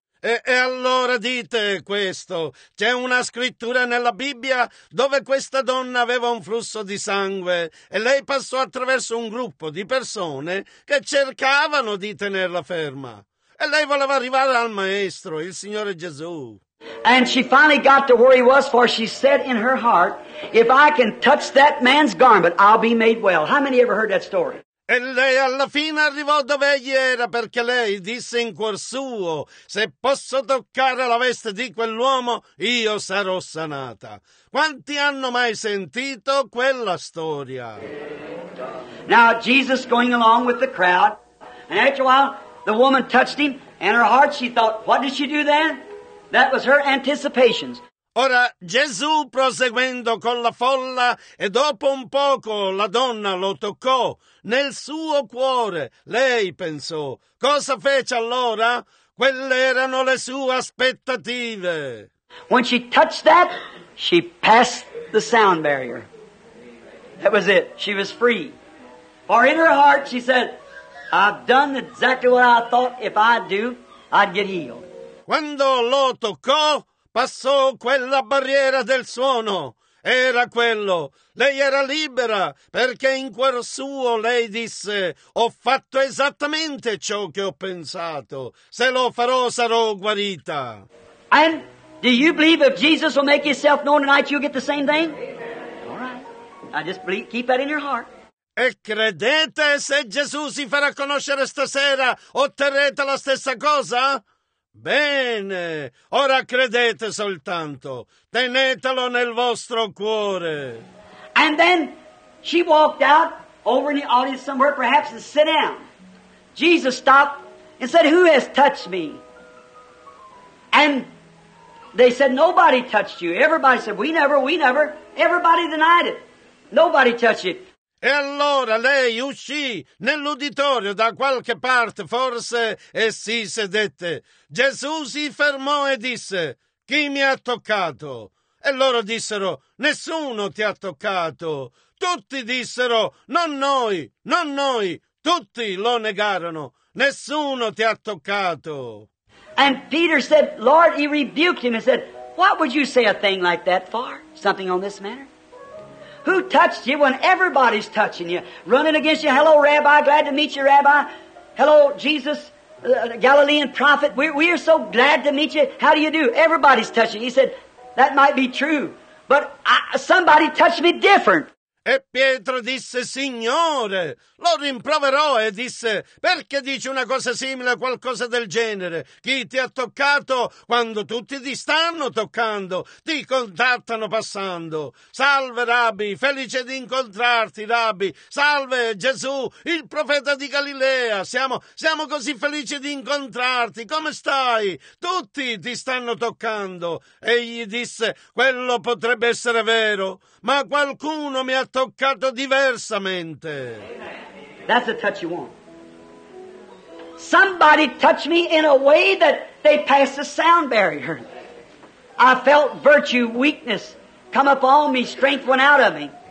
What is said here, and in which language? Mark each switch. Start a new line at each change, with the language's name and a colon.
Italian: E allora dite questo, c'è una scrittura nella Bibbia dove questa donna aveva un flusso di sangue e lei passò attraverso un gruppo di persone che cercavano di tenerla ferma. E lei voleva arrivare al Maestro, il Signore Gesù.
English: And she finally got to where he was, for she said in her heart, if I can touch that man's garment, I'll be made well. How many ever heard that story?
Italian: E lei alla fine arrivò dove egli era, perché lei disse in cuor suo, se posso toccare la veste di quell'uomo, io sarò sanata. Quanti hanno mai sentito quella storia?
English: Now Jesus going along with the crowd, and after a while the woman touched him, and her heart she thought, what did she do then? That was her anticipations.
Italian: Ora Gesù proseguendo con la folla e dopo un poco la donna lo toccò nel suo cuore. Lei pensò, cosa fece allora? Quelle erano le sue aspettative.
English: When she touched that, she passed the sound barrier. That was it. She was free. For in her heart she said, I've done exactly what I thought if I do, I'd get healed.
Italian: Quando lo toccò, passò quella barriera del suono. Era quello. Lei era libera, perché in cuor suo lei disse, ho fatto esattamente ciò che ho pensato. Se lo farò, sarò guarita.
English: And do you believe if Jesus will make himself known tonight, you'll get the same thing? All right. I just believe, keep that in your heart.
Italian: E credete se Gesù si farà conoscere stasera, otterrete la stessa cosa? Bene, ora credete soltanto, tenetelo nel vostro cuore.
English: And then she walked out over in the audience somewhere, perhaps, and sit down. Jesus stopped and said, who has touched me? And they said, nobody touched you. Everybody said, we never. Everybody denied it. Nobody touched you.
Italian: E allora lei uscì nell'uditorio da qualche parte, forse, e si sedette. Gesù si fermò e disse, chi mi ha toccato? E loro dissero, nessuno ti ha toccato. Tutti dissero, non noi. Tutti lo negarono, nessuno ti ha toccato.
English: And Peter said, Lord, he rebuked him and said, what would you say a thing like that for? Something on this matter? Who touched you when everybody's touching you? Running against you, hello, Rabbi, glad to meet you, Rabbi. Hello, Jesus, Galilean prophet, we are so glad to meet you. How do you do? Everybody's touching. He said, that might be true, but somebody touched me different.
Italian: E Pietro disse, Signore, lo rimproverò e disse, perché dici una cosa simile a qualcosa del genere? Chi ti ha toccato quando tutti ti stanno toccando, ti contattano passando? Salve, Rabbi, felice di incontrarti, Rabbi. Salve, Gesù, il profeta di Galilea. Siamo così felici di incontrarti. Come stai? Tutti ti stanno toccando. E gli disse, quello potrebbe essere vero, ma qualcuno mi ha toccato diversamente.
English: That's the touch you want. Somebody touched me in a way that they passed the sound barrier. I felt virtue, weakness come upon me, strength went out of me.